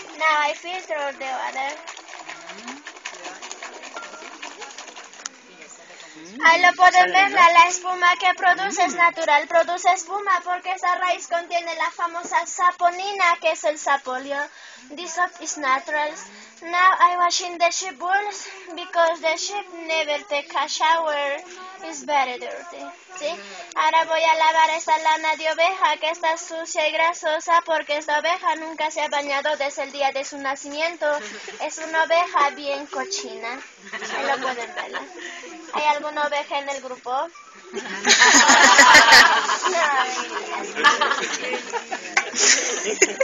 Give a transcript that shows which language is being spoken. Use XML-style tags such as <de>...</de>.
<en>Now I filter the water.</en> <es>Ahí lo pueden ver, la espuma que produce es natural, produce espuma porque esa raíz contiene la famosa saponina, que es el sapolio.</es> <en>This soap is natural. Now I wash in the sheep wool because the sheep never take a shower. It's very dirty. ¿Sí?</en> <es>Ahora voy a lavar esta lana de oveja que está sucia y grasosa porque esta oveja nunca se ha bañado desde el día de su nacimiento. Es una oveja bien cochina. Ahí lo pueden ver. ¿Hay alguna oveja en el grupo? No.</es>